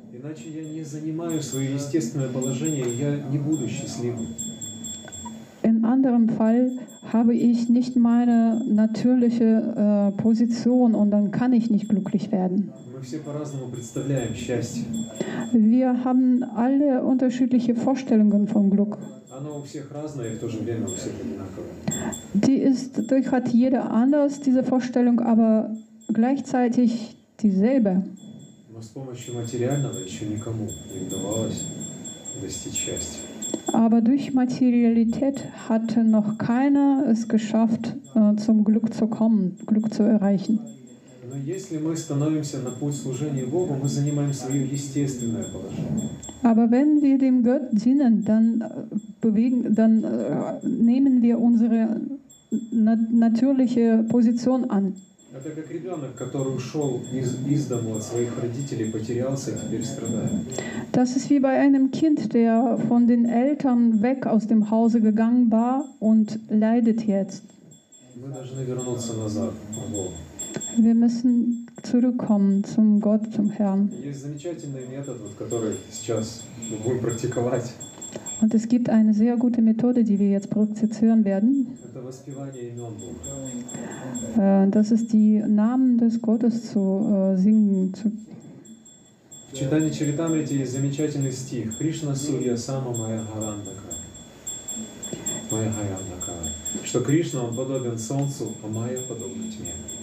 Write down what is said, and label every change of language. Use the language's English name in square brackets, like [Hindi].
[Russian] Иначе я не занимаю свое естественное положение, я не буду счастливым. [German] In anderem Fall habe ich nicht meine natürliche Position und dann kann ich nicht glücklich werden. [Russian] Мы все по-разному представляем счастье. [German] Wir haben alle unterschiedliche Vorstellungen vom Glück. [Russian] Оно у всех разное, и в то же время у всех одинаково. [German] Hat jeder anders, diese Vorstellung, aber gleichzeitig dieselbe. [Russian] Но с помощью материального еще никому не удавалось достичь счастья. [German] Aber durch Materialität hatte noch keiner es geschafft, zum Glück zu kommen, Glück zu erreichen. [Russian] Но если мы становимся на путь служения Богу, мы занимаем свое естественное положение. [German] Aber wenn wir dem Gott dienen, dann bewegen, dann nehmen wir unsere natürliche Position an. [Russian] Это как ребенок, который ушел из дому от своих родителей, потерялся и теперь страдает. [German] Das ist wie bei einem Kind, der von den Eltern weg aus dem Hause gegangen war und leidet jetzt. [Russian] Мы должны вернуться назад, к Богу. [German] Wir müssen zurückkommen zum Gott, zum Herrn. [Russian] Есть замечательный метод, вот, который сейчас мы будем практиковать. [German] Und es gibt eine sehr gute Methode, die wir jetzt praktizieren werden. [Russian] Это воспевание имен Бога. [German] Das ist die Namen des Gottes zu singen. [Russian] В Читане Чаритамрите есть замечательный стих. [Sanskrit] Кришна Сурья Сама Майя Гарандака. [Russian] Майя Гарандака. Что Кришна, он подобен солнцу, а Майя подобна тьме.